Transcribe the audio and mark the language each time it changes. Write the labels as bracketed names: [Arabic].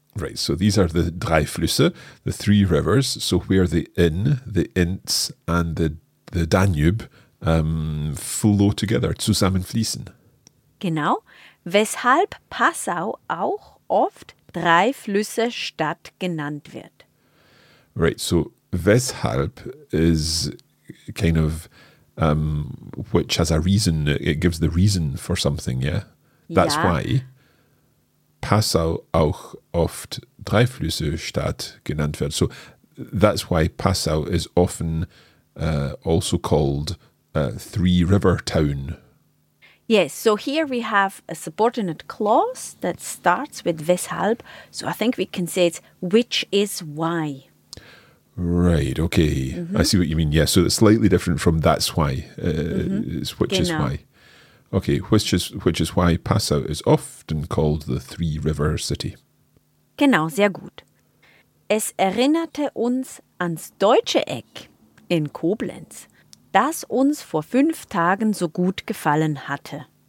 [English] Right, so these are the Dreiflüsse, the three rivers. So where the Inn, the Ints and the Danube flow together, zusammenfließen. [German] Genau, weshalb Passau auch oft Dreiflüsse-Stadt genannt wird. [English] Right, so weshalb is kind of which has a reason, it gives the reason for something, yeah? That's [German] ja. [English] Why [German] Passau auch oft Dreiflüsse-Stadt genannt wird. [English] So that's why Passau is often also called Three River Town. Yes, so here we have a subordinate clause that starts with weshalb. So I think we can say it's which is why. Right, okay. Mm-hmm. I see what you mean. Yeah, so it's slightly different from that's why, is which [German] genau. [English] Is why. Okay, which is why Passau is often called the Three River City. [German] Genau, sehr gut. Es erinnerte uns ans Deutsche Eck in Koblenz, das uns vor 5 Tagen so gut gefallen hatte.